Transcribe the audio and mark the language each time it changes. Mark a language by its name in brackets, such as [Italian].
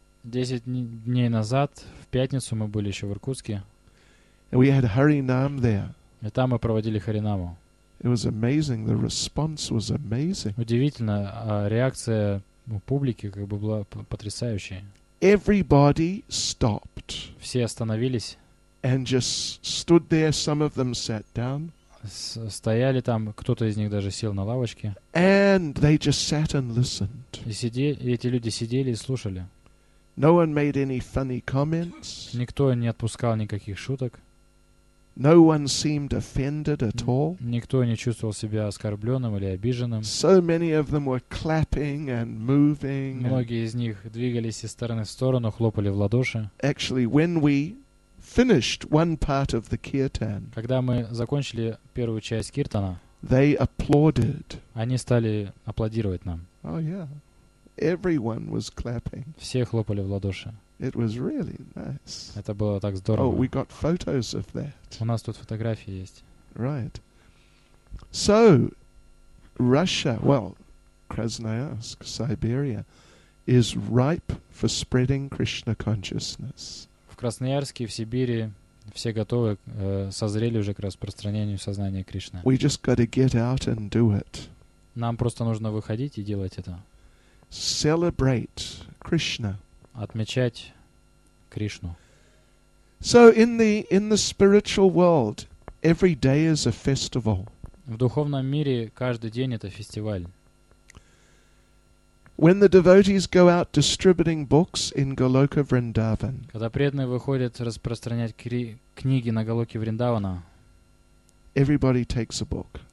[Russian] 10 дней назад, в пятницу, мы были еще в Иркутске. [English] And we had Харинам there. [Russian] И там мы проводили Харинаму. [English] It was amazing. The response was amazing. [Russian] Удивительно, а реакция у публики как бы была потрясающей. [English] Everybody stopped. [Russian] Все остановились. [English] And just stood there. Some of them sat down. [Russian] Стояли там, кто-то из них даже сел на лавочке. [English] And they just sat and listened. [Russian] Эти люди сидели и слушали. [English] No one made any funny comments. [Russian] Никто не отпускал никаких шуток. [English] No one seemed offended at all. [Russian] Никто не чувствовал себя оскорбленным или обиженным. [English] So many of them were clapping and moving. [Russian] Многие из них двигались из стороны в сторону, хлопали в ладоши. [English] Actually, when we finished one part of the kirtan, [Russian] когда мы закончили первую часть киртана, [English] they applauded. [Russian] Они стали аплодировать нам. [English] Oh yeah, everyone was clapping. [Russian] Все хлопали в ладоши. [English] It was really nice. [Russian] Это было так здорово. [English] Oh, we got photos of that. [Russian] У нас тут фотографии есть. [English] Right. So, Russia, well, Krasnoyarsk, Siberia, is ripe for spreading Krishna consciousness. [Russian] В Красноярске, в Сибири, все готовы, созрели уже к распространению сознания Кришны. [English] We just got to get out and do it. [Russian] Нам просто нужно выходить и делать это. [English] Celebrate Krishna. [Russian] Отмечать Кришну. [English] So in the spiritual world, every day is a festival. [Russian] В духовном мире каждый день это фестиваль. [English] When the devotees go out distributing books in Goloka Vrindavan. [Russian] Когда преданные выходят распространять книги на Голоке Вриндавана. [English] Everybody takes a book.